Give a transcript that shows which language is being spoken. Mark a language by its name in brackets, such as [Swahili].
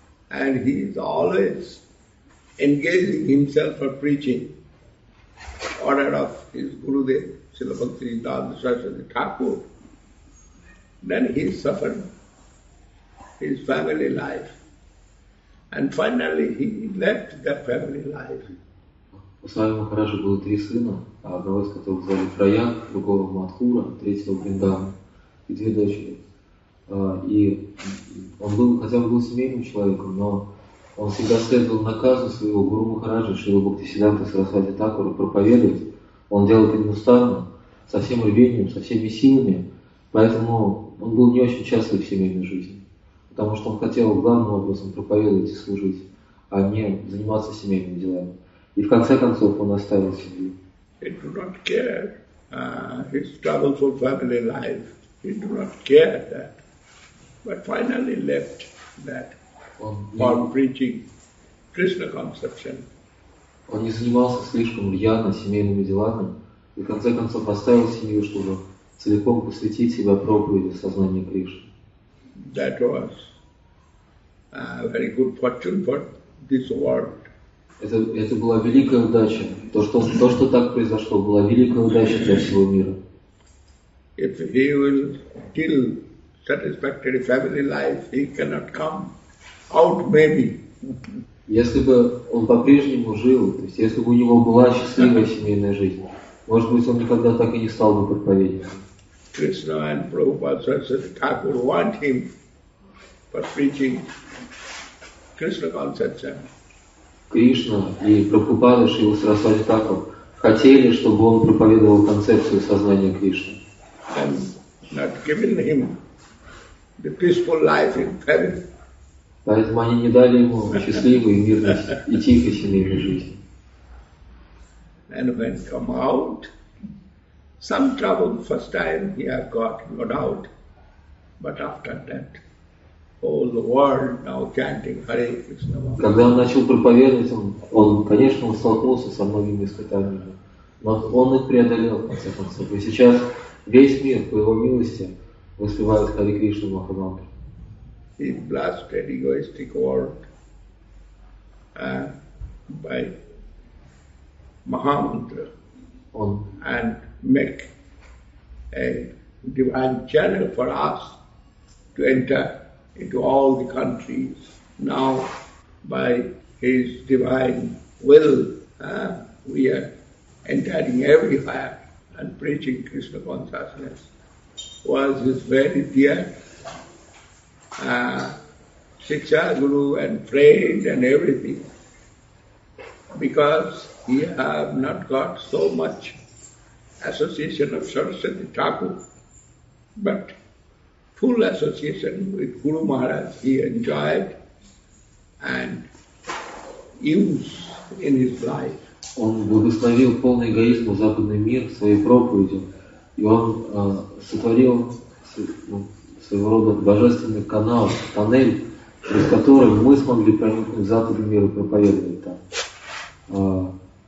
[English] And he is always engaging himself for preaching. Order of his Gurudev, Srila Bhakti Dada Saraswati Thakur. Then he suffered his family life. And finally, he left that family life. [Russian] У Свами Махараджа было три сына, одного из которых звали Праяг, другого Мадхура, третьего Бриндавана и две дочери. И он был, хотя бы был семейным человеком, но он всегда следовал наказу своего Гуру Махараджа, Шрила Бхактисиддханта Сарасвати Такура, проповедовать. Он делал это неустанно, со всем рвением, со всеми силами, поэтому он был не очень счастлив в семейной жизни. Потому что он хотел главным образом проповедовать и служить, а не заниматься семейными делами. И в конце концов он оставил семью. [English] He do not care his troubleful family life. He do not care that. But finally left that for preaching Krishna conception. [Russian] Он не занимался слишком рьяно семейными делами и в конце концов оставил семью, чтобы целиком посвятить себя проповеди сознания Кришны. [English] That was a very good fortune for this world. [Russian] Это была великая удача. То, что так произошло, была великая удача для всего мира. [English] If he will kill satisfactory family life, he cannot come out maybe. [Russian] Если бы он по-прежнему жил, то есть если бы у него была счастливая семейная жизнь, может быть, он никогда так и не стал бы проповедником. [English] Krishna and Prabhupada Saraswati Thakur want him for preaching Krishna conception. [Russian] Krishna and Prabhupada Srila Saraswati Thakur хотели, чтобы он проповедовал концепцию сознания Кришны. [English] And not giving him the peaceful life in heaven. [Russian] Поэтому они не дали ему счастливой, мирной и тихой семейной жизни. [English] And when come out, some trouble first time he had got, no doubt. But after that, all the world now chanting Hare Krishna. [Russian] Когда он начал проповедовать, он конечно, он столкнулся со многими испытаниями. Но он их преодолел, в конце концов. И сейчас весь мир, по его милости, воспевает Hare Krishna Махамантру. [English] He blasted egoistic world by Mahamantra. And make a divine channel for us to enter into all the countries. Now, by his divine will, we are entering everywhere and preaching Krishna consciousness. Was his very dear Shiksha Guru and friend and everything. Because he have not got so much association of Saraswati Thakur, but full association with Guru Maharaj he enjoyed and used in his life. [Russian] Он благословил полный эгоизм в западный мир своей проповедью, и он сотворил своего рода божественный канал, тоннель, через который мы смогли проникнуть в западный мир и проповедовать там.